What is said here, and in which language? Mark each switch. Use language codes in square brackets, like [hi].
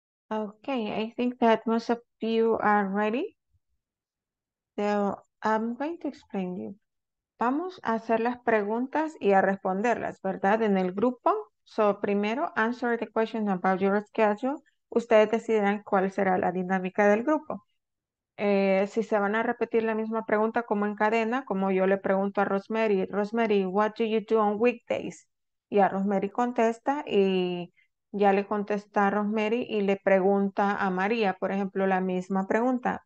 [en] Okay, I think that most of you are ready. So I'm going to explain you. [es] Vamos a hacer las preguntas y a responderlas, ¿verdad? En el grupo. [en] So [es] primero, [en] answer the question about your schedule. [es] Ustedes decidirán cuál será la dinámica del grupo. Si se van a repetir la misma pregunta como en cadena, como yo le pregunto a Rosemary, Rosemary, [en] what do you do on weekdays? [es] Y a Rosemary contesta y ya le contesta a Rosemary y le pregunta a María, por ejemplo, la misma pregunta.